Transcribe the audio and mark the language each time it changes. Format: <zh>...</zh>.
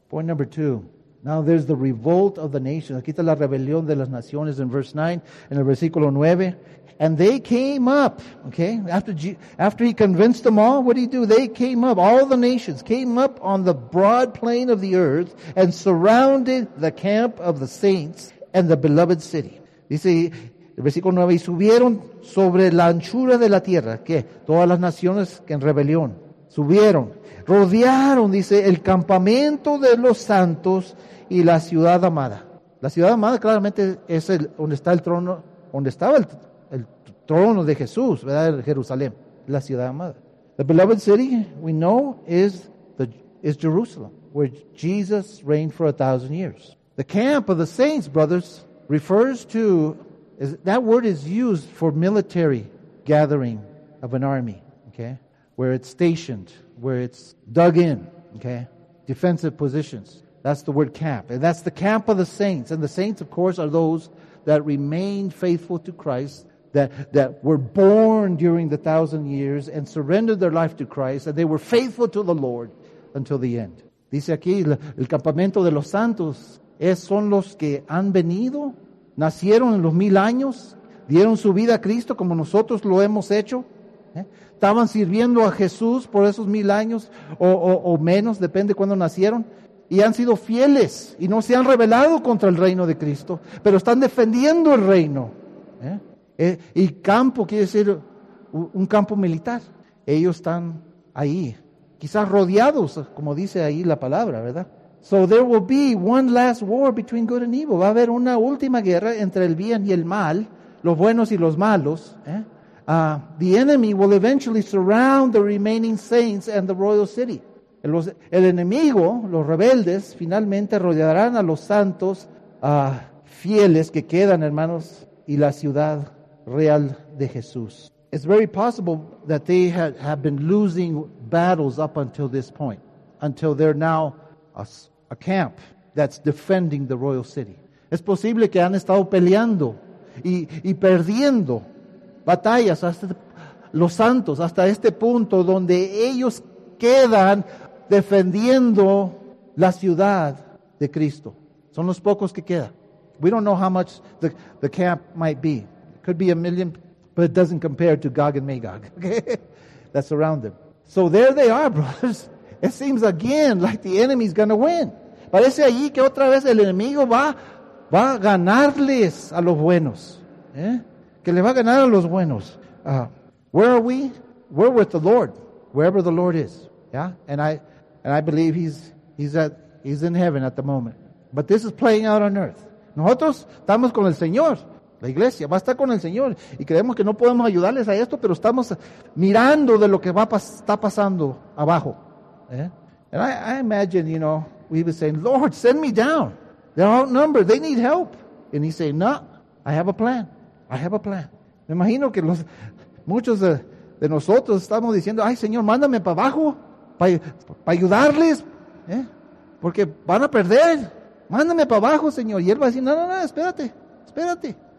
<en>Point number 2. Now there's the revolt of the nations.</en> <es>Aquí está la rebelión de las naciones</es> <en>in verse 9,</en> <es>en el versículo 9.</es> <en>And they came up, okay? After he convinced them all, what did he do? They came up, all the nations came up on the broad plain of the earth and surrounded the camp of the saints and the beloved city.</en> <es>Dice, el versículo 9, y subieron sobre la anchura de la tierra, que todas las naciones que en rebelión subieron, rodearon, dice, el campamento de los santos y la ciudad amada. La ciudad amada claramente es donde estaba el trono de Jesús, ¿verdad? Jerusalén, la ciudad amada.</es> <en>The beloved city we know is Jerusalem, where Jesus reigned for 1,000 years. The camp of the saints, brothers, is used for military gathering of an army, okay? Where it's stationed, where it's dug in, okay? Defensive positions. That's the word camp. And that's the camp of the saints. And the saints, of course, are those that remain faithful to Christ, that were born during the 1,000 years and surrendered their life to Christ, and they were faithful to the Lord until the end.</en> <es>Dice aquí, el campamento de los santos son los que han venido, nacieron en los 1,000 años, dieron su vida a Cristo como nosotros lo hemos hecho. Estaban sirviendo a Jesús por esos 1,000 años o menos, depende de cuándo nacieron, y han sido fieles y no se han rebelado contra el reino de Cristo, pero están defendiendo el reino. Y campo quiere decir un campo militar. Ellos están ahí quizás rodeados, como dice ahí la palabra, ¿verdad?</es> <en>So there will be one last war between good and evil.</en> <es>Va a haber una última guerra entre el bien y el mal, los buenos y los malos.</es> <en>The enemy will eventually surround the remaining saints and the royal city.</en> <es>El enemigo, los rebeldes, finalmente rodearán a los santos fieles que quedan, hermanos, y la ciudad real de Jesús.</es> <en>It's very possible that they have been losing battles up until this point, until they're now a camp that's defending the royal city.</en> <es>Es posible que han estado peleando y perdiendo batallas hasta los santos, hasta este punto donde ellos quedan defendiendo la ciudad de Cristo. Son los pocos que quedan.</es> <en>We don't know how much the camp might be. It could be a million, but it doesn't compare to Gog and Magog, okay? That's around them. So there they are, brothers. It seems again like the enemy's going to win.</en> <es>Parece allí que otra vez el enemigo va a ganarles a los buenos. ¿Eh? Que le va a ganar a los buenos.</es> <en>Where are we? We're with the Lord, wherever the Lord is. Yeah, and I believe he's in heaven at the moment. But this is playing out on earth.</en> <es>Nosotros estamos con el Señor. La iglesia va a estar con el Señor. Y creemos que no podemos ayudarles a esto, pero estamos mirando de lo que está pasando abajo. ¿Eh?</es> <en>And I imagine, you know, we were saying, Lord, send me down. They're outnumbered. They need help. And he's saying, no, I have a plan. I have a plan.</en> <es>Me imagino que muchos de nosotros estamos diciendo, ay, Señor, mándame para abajo para ayudarles. ¿Eh? Porque van a perder. Mándame para abajo, Señor. Y él va a decir, no, espérate, espérate.</es>